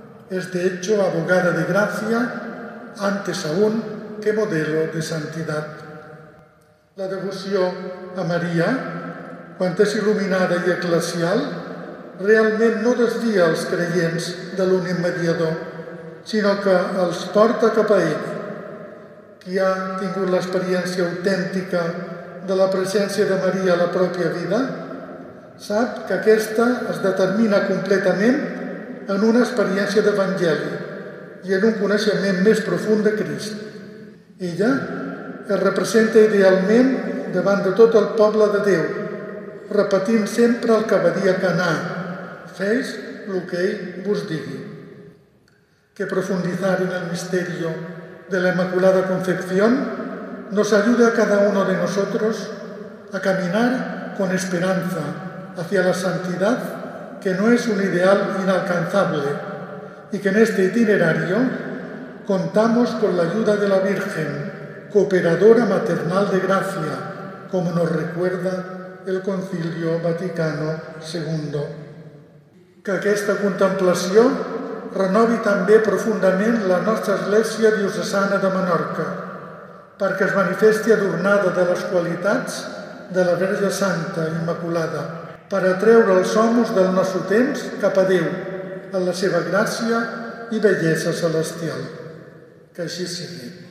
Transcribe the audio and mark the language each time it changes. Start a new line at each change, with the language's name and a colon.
Spanish: Es de hecho abogada de gracia, antes aún que modelo de santidad. La devoción a María, cuando es iluminada y eclesial, realmente no desvía a los creyentes de
Catalan: l'únic mediador, sino que els porta cap a ell. Qui ha tingut l'experiència autèntica de la presència de Maria a la pròpia vida, sap que aquesta es determina completament en una experiència d'Evangeli i en un coneixement més profund de Crist. Ella es representa idealment davant de tot el poble de Déu, repetint sempre el que va dir a Canà: «Feis lo que ell vos digui». Que profunditzar en el misteri de la
Spanish: Inmaculada Concepción nos ayude a cada uno de nosotros a caminar con esperanza hacia la santidad, que no es un ideal inalcanzable, y que en este itinerario contamos con la ayuda de la Virgen, cooperadora maternal de gracia, como nos recuerda el Concilio Vaticano II.
Catalan: Que esta contemplación renovi també profundament la nostra Església Diocesana de Menorca, perquè es manifesti adornada de les qualitats de la Verge Santa Immaculada, per atreure els homes del nostre temps cap a Déu, en la seva gràcia i bellesa celestial. Que així sigui.